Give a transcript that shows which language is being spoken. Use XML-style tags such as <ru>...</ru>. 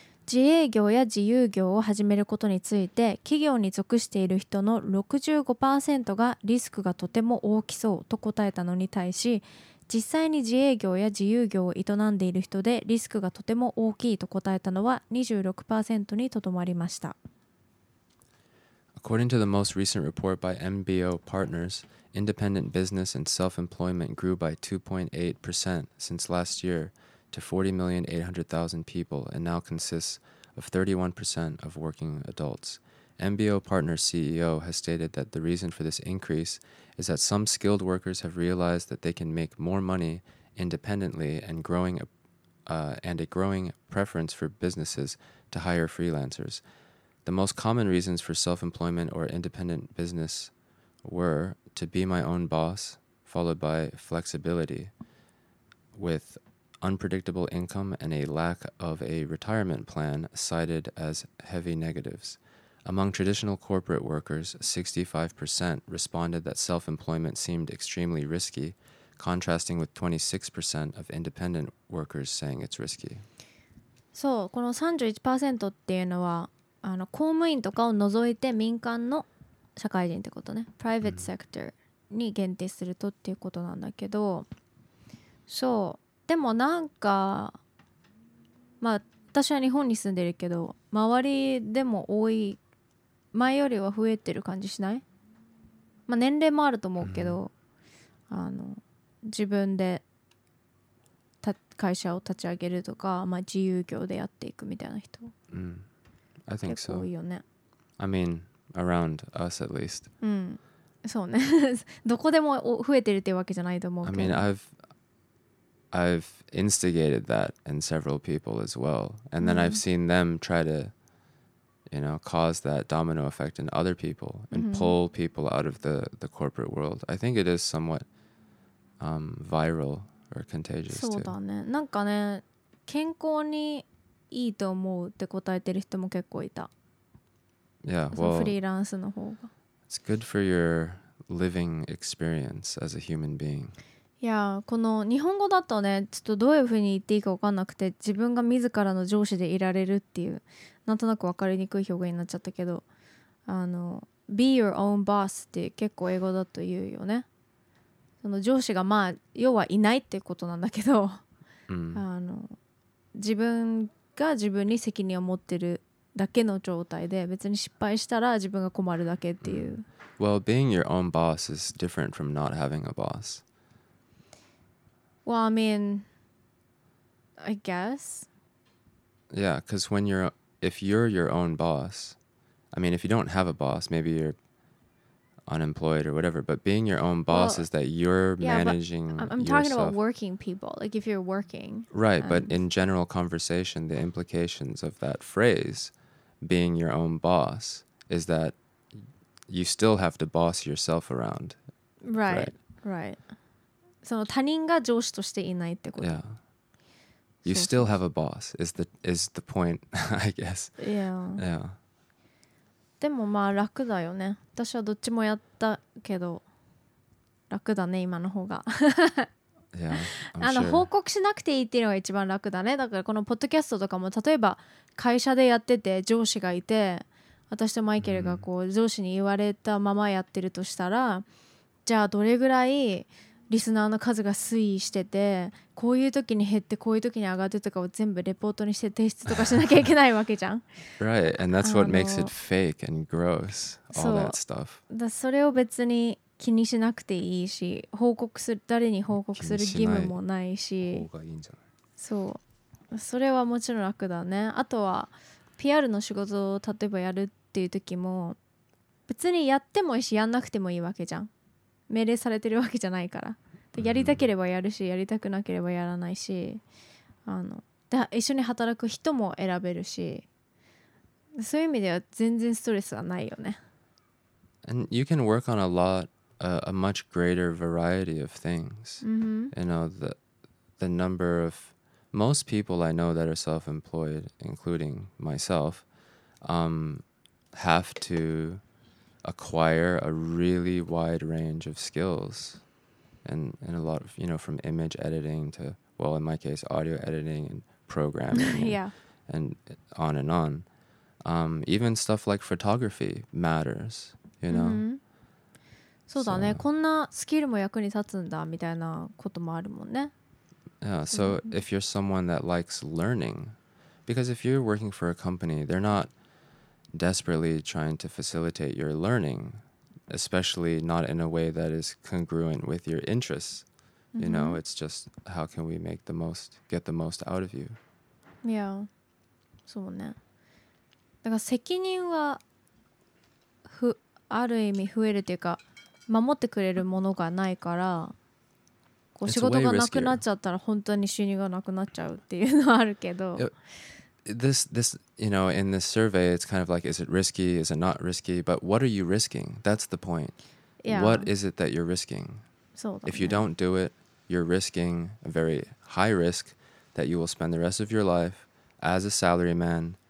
<ja>自営業や自由業を始めることについて企業に属している人の 65% がリスクがとても大きそうと答えたのに対し実際に自営業や自由業を営んでいる人でリスクがとても大きいと答えたのは 26% にとどまりました。</ja> <en>According to the most recent report by MBO Partners, independent business and self-employment grew by 2.8% since last year to 40,800,000 people and now consists of 31% of working adults. MBO Partners CEO has stated that the reason for this increase is that some skilled workers have realized that they can make more money independently and growing preference for businesses to hire freelancers. The most common reasons for self-employment or independent business were to be my own boss, followed by flexibility, with unpredictable income and a lack of a retirement plan cited as heavy negatives. Among traditional corporate workers, 65% responded that self-employment seemed extremely risky, contrasting with 26% of independent workers saying it's risky.</en> <ja>So, この31%っていうのは公務員とかを除いて民間の社会人ってことね、プライベートセクターに限定するとっていうことなんだけど、そう、でもなんか、まあ私は日本に住んでるけど、周りでも多い、前よりは増えてる感じしない？まあ年齢もあると思うけど、自分で会社を立ち上げるとか、まあ自由業でやっていくみたいな人。</ja> <en>うん。I think so. I mean, around us at least.</en> <ja>そうね。どこでも増えてるってわけじゃないと思うけど。</ja> <en>I mean, I've instigated that in several people as well. And then I've seen them try to, you know, cause that domino effect in other people and pull people out of the corporate world. I think it is somewhat viral or contagious too.</en> <ja>そうだね。なんかね、健康にいいと思うって答えてる人も結構いた。</ja> <en>Yeah, well,</en> <ja>フリーランスの方が。</ja> <en>It's good for your living experience as a human being.</en> <ja>いや、この日本語だとね、ちょっとどういう風に言っていいか分かんなくて、自分が自らの上司でいられるっていう、なんとなく分かりにくい表現になっちゃったけど、</ja> <en>Be your own boss</en> <ja>って結構英語だと言うよね。その上司がまあ、要はいないってことなんだけど、自分が自分に責任を持ってるだけの状態で別に失敗したら自分が困るだけっていう、</ja> <en>Well, being your own boss is different from not having a boss. Well, I mean, I guess. Yeah, because when you're, if you're your own boss, I mean, if you don't have a boss, maybe you're unemployed or whatever, but being your own boss is that you're managing yourself. I'm talking about working people, like if you're working. Right, but in general conversation, the implications of that phrase, being your own boss, is that you still have to boss yourself around. Right.</en> <ja>その他人が上司としていないってこと。</ja> <en>Yeah. You still have a boss, is the point, I guess. Yeah.</en> <ja>でもまあ楽だよね。私はどっちもやったけど楽だね今の方が。</ja> <en>yeah, sure.</en> <ja>報告しなくていいっていうのが一番楽だね。だからこのポッドキャストとかも例えば会社でやってて上司がいて私とマイケルがこう上司に言われたままやってるとしたら、じゃあどれぐらいリスナーの数が推移しててこういう時に減ってこういう時に上がってとかを全部レポートにして提出とかしなきゃいけないわけじゃん。</ja> <en>Right, and that's what makes it fake and gross, all that stuff.</en> <ja>それを別に気にしなくていいし、報告する誰に報告する義務もないし、気にしない方がいいんじゃない。そう、それはもちろん楽だね。あとは PR の仕事を例えばやるっていう時も別にやってもいいしやんなくてもいいわけじゃん。命令されてるわけじゃないから、やりたければやるし、やりたくなければやらないし、あの、で一緒に働く人も選べるし、そういう意味では全然ストレスはないよね。</ja> <en>And you can work on a lot, a much greater variety of things. You know, the number of most people I know that are self-employed, including myself, have to acquire a really wide range of skills. And a lot of, you know, from image editing to, well, in my case, audio editing and programming yeah. And on and on. Even stuff like photography matters, you know?</en> <ja>そうだね。こんなスキルも役に立つんだみたいなこともあるもんね。</ja> <en>Yeah, so if you're someone that likes learning, because if you're working for a company, they're not desperately trying to facilitate your learning, especially not in a way that is congruent with your interests. You know, it's just how can we make the most, get the most out of you.</en> <ja>Yeah, そうね。だから責任はある意味増えるというか、守ってくれるものがないから、こう仕事がなくなっちゃったら本当に収入がなくなっちゃうっていうのはあるけど、</ja> <en>this you know, in this survey it's kind of like, is it risky, is it not risky, but what are you risking? That's the point. Yeah. What is it that you're risking?</en> <ja>そうだね。</ja> <en>If you don't do it, you're risking a very high risk that you will spend the rest of your life as a salaryman.</en>